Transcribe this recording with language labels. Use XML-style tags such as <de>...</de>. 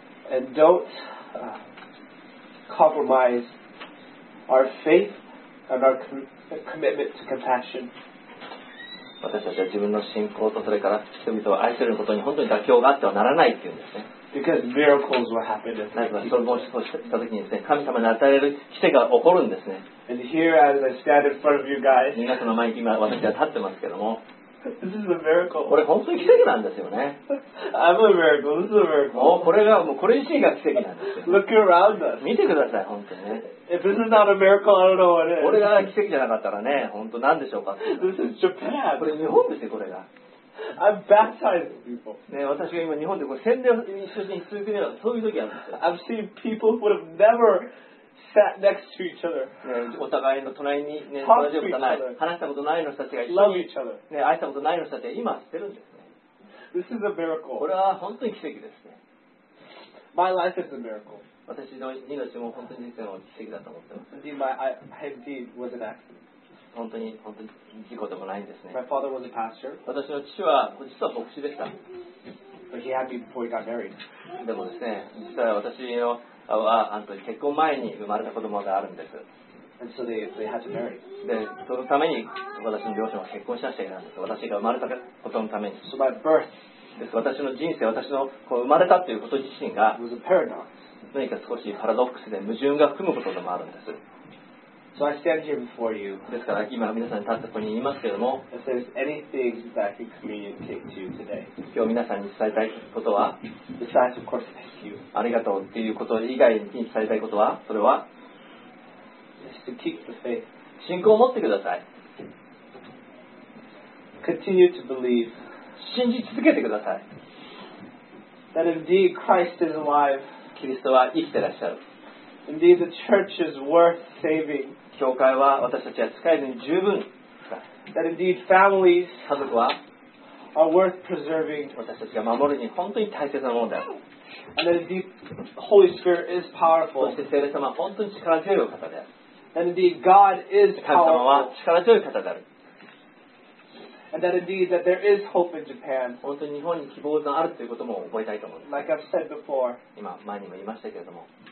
<en>And don't compromise our faith and our commitment to compassion.</en> <ja>私たちは自分の信仰とそれから人々を愛することに本当に妥協があってはならないというんですね。</ja> <en>Because miracles will happen.</en> <ja>なぜかそれを申し上げた時にですね、神様に与える奇跡が起こるんですね。</ja> <en>And here as I stand in front of you guys,</en> <ja>皆様の前に今私は立ってますけども、</ja> <en>This is a miracle.</en> <ja>これ本当に奇跡なんですよね。</ja> <en>I'm a miracle. This is a miracle.</en> <ja>これがもうこれ自身が奇跡なんですよ。</ja> <en>Look around us.</en> <ja>見てください、本当にね。</ja> <en>If this is not a miracle, I don't know what it is.</en> <ja>俺が奇跡じゃなかったらね、本当何でしょうか。</ja> <en>This is Japan.</en> <ja>これ日本ですよ、これが。</ja> <en>I'm baptizing people.</en> <ja>ね、私が今日本でこう洗礼を一緒に続けるようなそういう時あるんですよ。</ja> <en>I've seen people who would have never sat next to each other.</en> <ja>ね、お互いの隣にね、話したことない、話したことない人たちが一緒に、</ja> <en>love each other.</en> <ja>ね、愛したことない人たちが今知ってるんですね。</ja> <en>This is a miracle.</en> <ja>これは本当に奇跡ですね。</ja> <en>My life is a miracle.</en> <ja>私の命も本当に人生の奇跡だと思ってます。</ja> <en>Indeed, my indeed was an accident.</en> <ja>本当に本当に事故でもないんですね。</ja> <en>My father was a pastor.</en> <ja>私の父は実は牧師でした。</ja> <en>But he had me before he got married.</en> <ja>でもですね、実は私のは本当に結婚前に生まれた子供があるんです。</ja> <en>And so they had to marry.</en> <ja>で、そのために私の両親は結婚しなきゃいけないんです。私が生まれたことのために。</ja> <en>So my birth.</en> <ja>です。私の人生、私のこう生まれたということ自身が</ja> <en>was a paradox.</en> <ja>何か少しパラドックスで矛盾が含むことでもあるんです。</ja> <en>So I stand here before you.</en> <ja>ですから今皆さんに立ってここにいますけれども、</ja> <en>If there's anything that I can communicate to you today,</en> <ja>今日皆さんに伝えたいことは、</ja> <en>Besides, of course, thank you.</en> <ja>ありがとうということ以外に伝えたいことは、それは、</ja> <en>Just to keep the faith.</en> <ja>信仰を持ってください。</ja> <en>Continue to believe.</en> <ja>信じ続けてください。</ja> <en>That indeed Christ is alive.</en> <ja>キリストは生きてらっしゃる。</ja> <en>Indeed, the church is worth saving.</en> <ja>教会は私たちは使えずに十分ですか。</ja> <en>That indeed families</en> <ja>家族は</ja> <en>are worth preserving.</en> <ja>私たちが守るに本当に大切なものである。</ja> <en>And that indeed Holy Spirit is powerful.</en> <ja>そして聖霊様は本当に力強い方である。</ja> <en>That indeed God is powerful.</en> <ja>神様は力強い方である。</ja> <en>And that indeed that there is hope in Japan.</en> <ja>本当に日本に希望があるということも覚えたいと思う。</ja> <en>Like I've said before.</en> <ja>今前にも言いましたけれども。</ja>